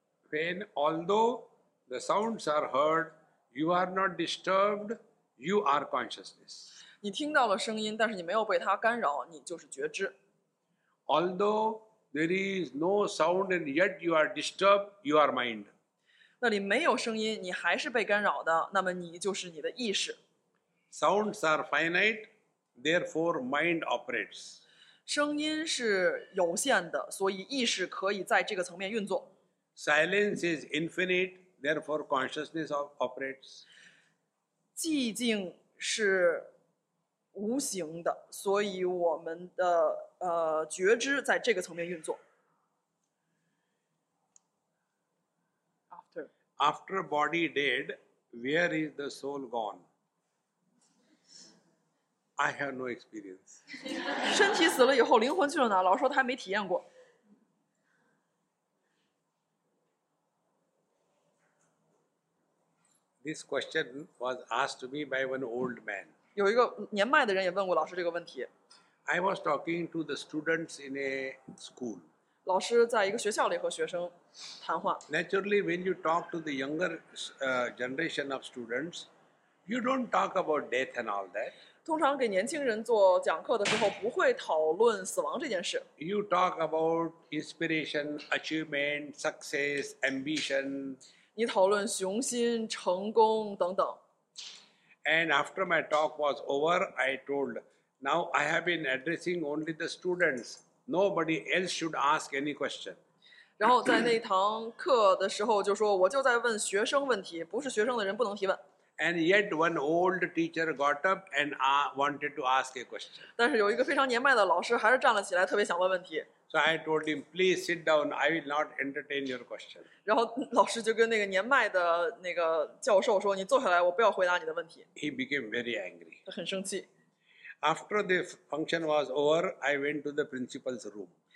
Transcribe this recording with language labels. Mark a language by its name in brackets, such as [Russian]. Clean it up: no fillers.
[English] When although the sounds are heard, you are not disturbed. You are consciousness. [Chinese] 你听到了声音，但是你没有被它干扰，你就是觉知。 [English] Although there is no sound and yet you are disturbed, you are mind. [Chinese] 那里没有声音，你还是被干扰的，那么你就是你的意识。 [English] Sounds are finite, therefore mind operates. [Chinese] 声音是有限的，所以意识可以在这个层面运作。 [English] Silence is infinite, therefore consciousness operates. [Chinese] 寂静是无形的，所以我们的觉知在这个层面运作。 [English] After body dead, where is the soul gone? I have no experience. [Chinese] 身体死了以后，灵魂去了哪？老师说他还没体验过。 [English] This question was asked to me by one old man. [Chinese] 有一个年迈的人也问过老师这个问题。 [English] I was talking to the students in a school. [Chinese] 老师在一个学校里和学生谈话。 [English] Naturally, when you talk to the younger generation of students, you don't talk about death and all that. [Chinese] 通常给年轻人做讲课的时候，不会讨论死亡这件事。 [English] You talk about inspiration, achievement, success, ambition. [Chinese] 你讨论雄心、成功等等。 [English] And after my talk was over, I told, now I have been addressing only the students. Nobody else should ask any question. [Chinese] 然后在那堂课的时候就说，我就在问学生问题，不是学生的人不能提问。 [English] And yet one old teacher got up and wanted to ask a question. [Chinese] 但是有一个非常年迈的老师还是站了起来，特别想问问题。 [English] So I told him, please sit down, I will not entertain your question. [Chinese] 然后老师就跟那个年迈的那个教授说，你坐下来，我不要回答你的问题。 [English] He became very angry. [Chinese] 他很生气。 [English] After the function was over, I went to the principal's room.